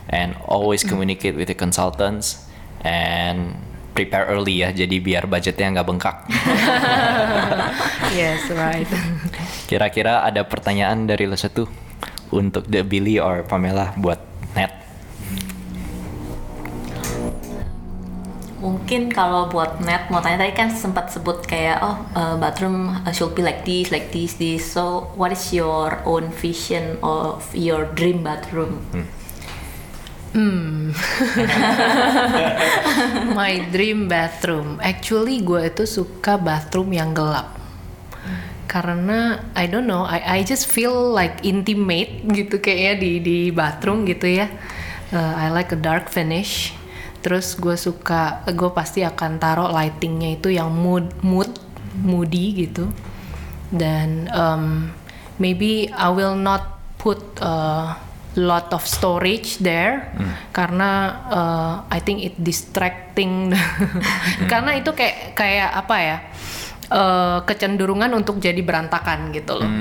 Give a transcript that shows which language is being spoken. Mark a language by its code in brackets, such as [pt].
[en] And always communicate with the consultants and prepare early ya. [id] Jadi biar budgetnya nggak bengkak. [en] Yes, right. [id] Kira-kira ada pertanyaan dari Lesa tuh untuk The Billy or Pamela buat Nat? Mungkin kalau buat Nat mau tanya, tadi kan sempat sebut kayak [en] bathroom should be like this. So what is your own vision of your dream bathroom? My dream bathroom. Actually, [id] gue itu suka bathroom yang gelap. Karena [en] I don't know, I just feel like intimate [id] gitu kayaknya di bathroom gitu ya. [en] I like a dark finish. [id] Terus gue suka, gue pasti akan taruh lightingnya itu yang moody gitu. Dan [en] maybe I will not put lot of storage there [id] karena [en] I think it distracting. [id] Karena itu kayak apa ya, kecenderungan untuk jadi berantakan gitu loh.